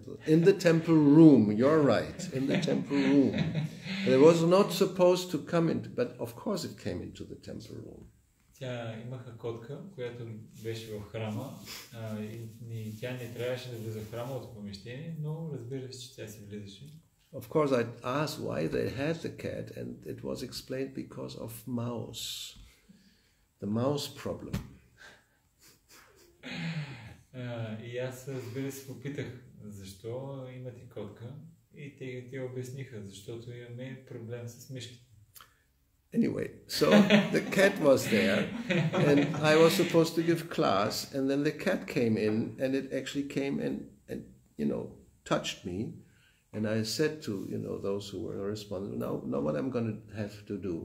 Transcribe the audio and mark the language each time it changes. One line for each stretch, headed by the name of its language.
English: In the temple room. You're right. In the temple room. It was not supposed to come in, but of course it came into the temple room.
Bulgarian: Тя имаха котка, която беше в храма, и тя не трябваше да влезе в храмовото помещение, но разбира се, че тя се влизаше.
English: Of course, I asked why they had the cat, and it was explained because of mouse, the mouse problem.
Bulgarian: И аз, разбира се, попитах защо имате котка, и те обясниха, защото имаме проблем с мишки.
English: Anyway, so the cat was there, and I was supposed to give class, and then the cat came in, and it actually came in and, you know, touched me. And I said to, you know, those who were responsible, now what I'm going to have to do?